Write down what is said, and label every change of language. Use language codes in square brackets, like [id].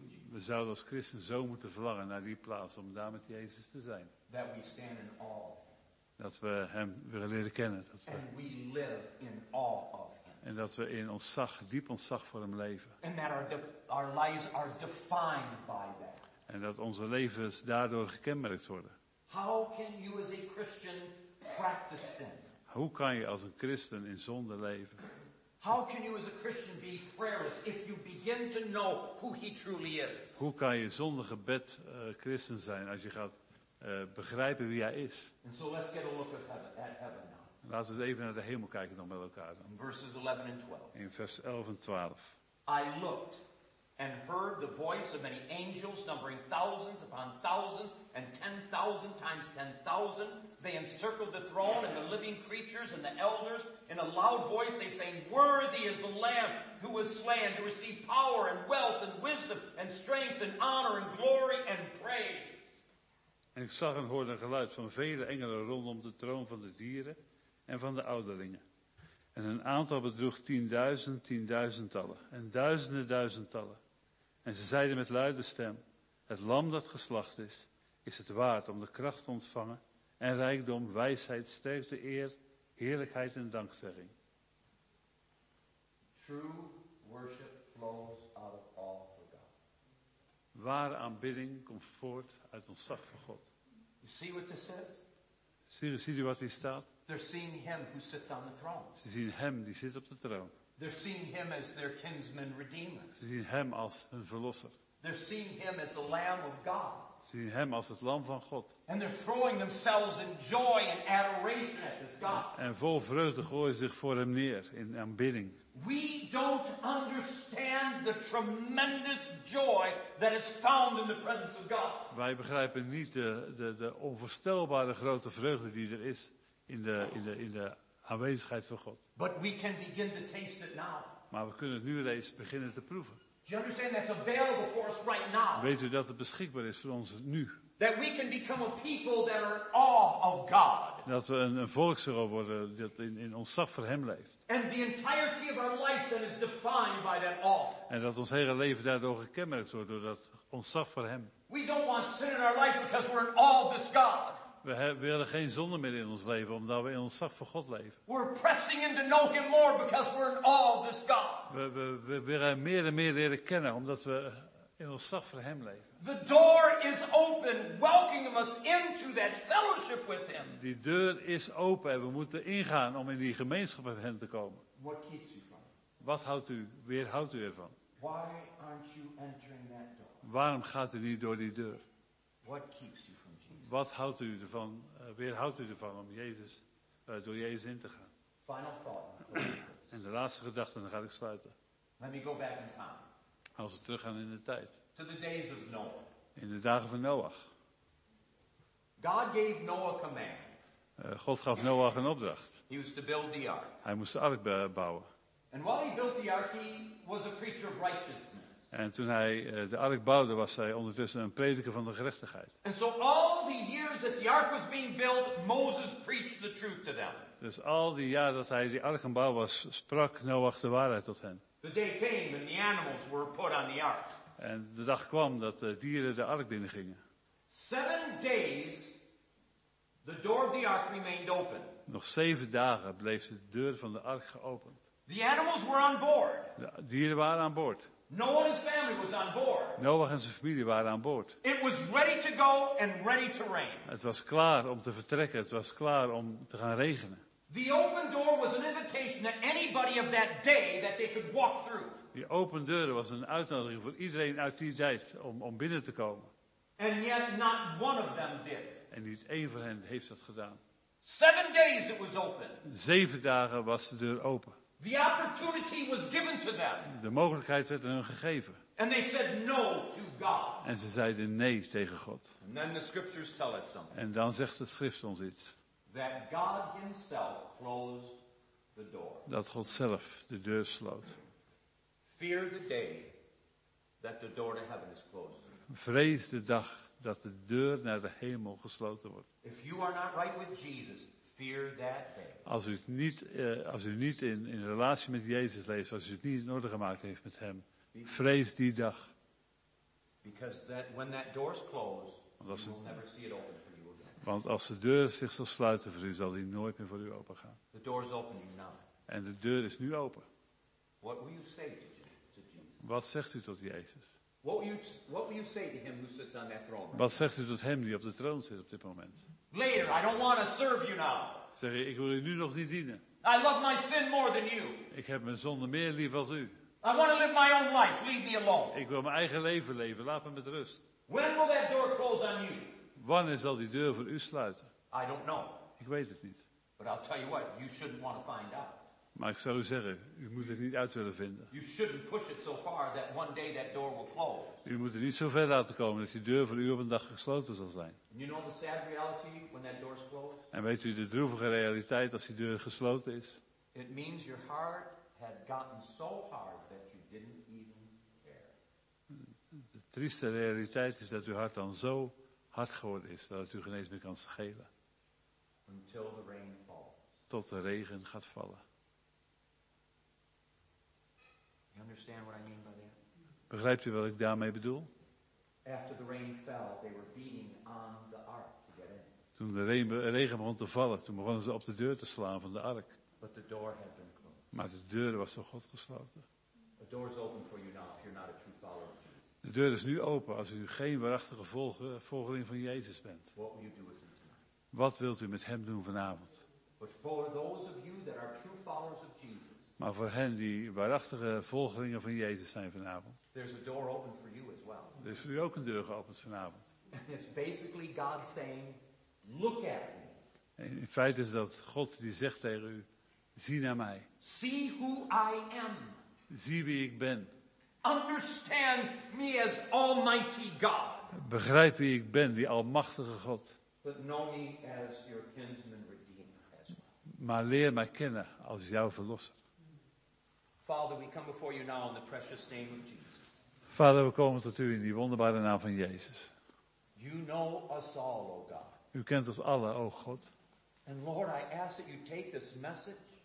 [nl] We zouden als christen zo moeten verlangen naar die plaats om daar met Jezus te zijn. [en] That we stand in awe. [nl] Dat we hem willen leren kennen. Dat we... [en] And we live in awe of him. [nl] En dat we in ontzag, diep ontzag voor hem leven. [en] And that our lives are defined by that. [nl] En dat onze levens daardoor gekenmerkt worden. [en] How can you as a Christian practice sin? [nl] Hoe kan je als een christen in zonde leven? [en] How can you as a Christian be prayerless if you begin to know who he truly is? [nl] Hoe kan je zonder gebed christen zijn als je gaat begrijpen wie hij is? [en] And so let's get a look at heaven now. [nl] Laten we eens even naar de hemel kijken dan met elkaar. [en] In verses 11 and 12. [nl] In vers 11 en 12. [en] I looked and heard the voice of many angels numbering thousands upon thousands and 10,000 times 10,000. They encircled the throne and the living creatures and the elders. In a loud voice they sang, worthy is the Lamb who was slain to receive power and wealth and wisdom and strength and honor and glory and praise. [nl] En ik zag en hoorde een geluid van vele engelen rondom de troon van de dieren en van de ouderlingen. En een aantal bedroeg 10.000, 10.000-tallen en duizenden duizendtallen. En ze zeiden met luide stem, het lam dat geslacht is het waard om de kracht te ontvangen en rijkdom, wijsheid, sterkte, eer, heerlijkheid en dankzegging. [en] True worship flows out of all for God. [nl] Ware aanbidding komt voort uit ontzag voor God. [en] You see what this says? [nl] Zie je wat hier staat? [en] They're seeing him who sits on the throne. [nl] Ze zien hem die zit op de troon. [en] They're seeing him as their kinsman redeemer. [nl] Ze zien hem als hun verlosser. [en] They're seeing him as the Lamb of God. [nl] Ze zien hem als het lam van God. [en] And they're throwing themselves in joy and adoration at this God. [nl] En vol vreugde gooien ze zich voor hem neer in aanbidding. [en] We don't understand the tremendous joy that is found in the presence of God. [nl] Wij begrijpen niet de onvoorstelbare grote vreugde die er is in de aanwezigheid van God. [en] But we can begin to taste it now. [nl] Maar we kunnen het nu reeds beginnen te proeven. [en] Do you understand that's available for us right now? [nl] Weet u dat het beschikbaar is voor ons nu? [en] That we can become a people that are in awe of God. [nl] Dat we een volk zullen worden dat in ontzag voor hem leeft. [en] And the entirety of our life then is defined by that awe. [nl] En dat ons hele leven daardoor gekenmerkt wordt door dat ontzag voor hem. [en] We don't want sin in our life because we're in awe of this God. [nl] We willen geen zonde meer in ons leven, omdat we in ons zacht voor God leven. [en] We're pressing in to know him more because we're in awe of this God. [nl] We willen hem meer en meer leren kennen, omdat we in ons zacht voor hem leven. [en] The door is open, welcoming us into that fellowship with him. [nl] Die deur is open en we moeten ingaan om in die gemeenschap met hem te komen. [en] What keeps you from? [nl] Wat houdt u, weerhoudt u ervan? [en] Why aren't you entering that door? [nl] Waarom gaat u niet door die deur? [en] What keeps you from Jesus? [nl] Wat houdt u ervan? Weerhoudt u ervan om Jezus door Jezus in te gaan? [en] Final thought. [nl] En de laatste gedachte, dan ga ik sluiten. [en] Let me go back in time. [nl] Als we terug gaan in de tijd. [en] To the days of Noah. [nl] In de dagen van Noach. [en] God gave Noah a command. [nl] God gaf Noach een opdracht. [en] He was to build the ark. [nl] Hij moest de ark bouwen. [en] And while he built the ark, he was a preacher of righteousness. [nl] En toen hij de ark bouwde, was hij ondertussen een prediker van de gerechtigheid. [en] And so all the years that the ark was being built, Moses preached the truth to them. [nl] Dus al die jaren dat hij die ark aan bouw was, sprak Noach de waarheid tot hen. [en] The day came and the animals were put on the ark. [nl] En de dag kwam dat de dieren de ark binnengingen. [en] 7 days, the door of the ark remained open. [nl] Nog 7 dagen bleef de deur van de ark geopend. [en] The animals were on board. [nl] De dieren waren aan boord. [en] Noah and his family was on board. [nl] Noach en zijn familie waren aan boord. [en] It was ready to go and ready to rain. [nl] Het was klaar om te vertrekken. Het was klaar om te gaan regenen. [en] The open door was an invitation to anybody of that day that they could walk through. [nl] Die open deur was een uitnodiging voor iedereen uit die tijd om binnen te komen. [en] And yet not one of them did. [nl] En niet één van hen heeft dat gedaan. [en] 7 days it was open. [nl] 7 dagen was de deur open. [en] The opportunity was given to them. [nl] De mogelijkheid werd aan hun gegeven. [en] And they said no to God. [nl] En ze zeiden nee tegen God. [en] And then the scriptures tell us something. [nl] En dan zegt de schrift ons iets. [en] That God himself closed the door. [nl] Dat God zelf de deur sloot. [en] Fear the day that the door to heaven is closed. [nl] Vrees de dag dat de deur naar de hemel gesloten wordt. [en] If you are not right with Jesus, fear that day. [nl] Als u niet in relatie met Jezus leeft, als u het niet in orde gemaakt heeft met hem, vrees die dag. [en] Because that when that door is closed, you will never see it open for you again. [nl] Want als de deur zich zal sluiten voor u, zal die nooit meer voor u open gaan. [en] The door is opening now. [nl] En de deur is nu open. [en] What will you say to Jesus? [nl] Wat zegt u tot Jezus? [en] What will you say to him who sits on that throne? [nl] Wat zegt u tot hem die op de troon zit op dit moment? [en] Later, I don't want to serve you now. [nl] Zeg ik wil u nu nog niet dienen. [en] I love my sin more than you. [nl] Ik heb mijn zonde meer lief als u. [en] I want to live my own life. Leave me alone. [nl] Ik wil mijn eigen leven leven. Laat me met rust. [en] When will that door close on you? [nl] Wanneer zal die deur voor u sluiten? [en] I don't know. [nl] Ik weet het niet. [en] But I'll tell you what, you shouldn't want to find out. [nl] Maar ik zou u zeggen, u moet het niet uit willen vinden. [en] You shouldn't push it so far that one day that door will close. [nl] U moet het niet zo ver laten komen dat die deur voor u op een dag gesloten zal zijn. [en] And you know the sad reality when that door is closed? [nl] En weet u de droevige realiteit als die deur gesloten is? [en] It means your heart had gotten so hard that you didn't even care. [nl] De trieste realiteit is dat uw hart dan zo hard geworden is dat het u geen eens meer kan schelen. [en] Until the rain falls. [nl] Tot de regen gaat vallen. [en] Understand what I mean by that? [nl] Begrijpt u wat ik daarmee bedoel? [en] After the rain fell, they were beating on the ark to get in. [nl] Toen de regen begon te vallen, toen begonnen ze op de deur te slaan van de ark. [en] But the door had been closed. [nl] Maar de deur was door God gesloten. [en] The door is open for you now if you're not a true follower of Jesus. [nl] De deur is nu open als u geen waarachtige volgeling van Jezus bent. [en] What will you do with him tonight? [nl] Wat wilt u met hem doen vanavond? [en] But for those of you that are true followers of Jesus. [nl] Maar voor hen die waarachtige volgelingen van Jezus zijn vanavond. [en] There's a door open for you as well. [nl] Er is voor u ook een deur geopend vanavond. [en] It's basically God saying, look at me. [nl] En in feite is dat God die zegt tegen u, zie naar mij. [en] See who I am. [nl] Zie wie ik ben. [en] Understand me as Almighty God. [nl] Begrijp wie ik ben, die almachtige God. [en] But know me as your kinsman redeemer as well. [nl] Maar leer mij kennen als jouw verlosser. [en] Father, we come before you now in the precious name of Jesus. [nl] Vader, we komen tot u in die wonderbare naam van Jezus. [en] You know us all, O God. [nl] U kent ons allen, O God. [en] And Lord, I ask that you take this message.